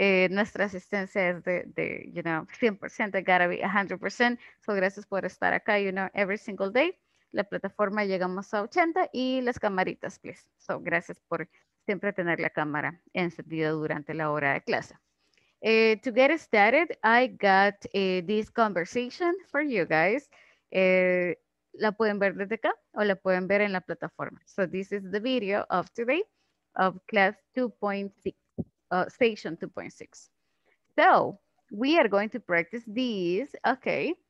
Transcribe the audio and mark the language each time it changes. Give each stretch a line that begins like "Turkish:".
Spanish: Nuestra asistencia es de,
English: you know, 100%, gotta be 100%. So,
Spanish: gracias por estar acá,
English: you know, every single day.
Spanish: La plataforma llegamos a 80 y las camaritas, please. So, gracias por siempre tener la cámara encendida durante la hora de clase.
English: To get started, I got this conversation for you guys.
Spanish: La pueden ver desde acá o la pueden ver en la plataforma.
English: So this is the video of today of class 2.6, station 2.6. So we are going to practice these, okay.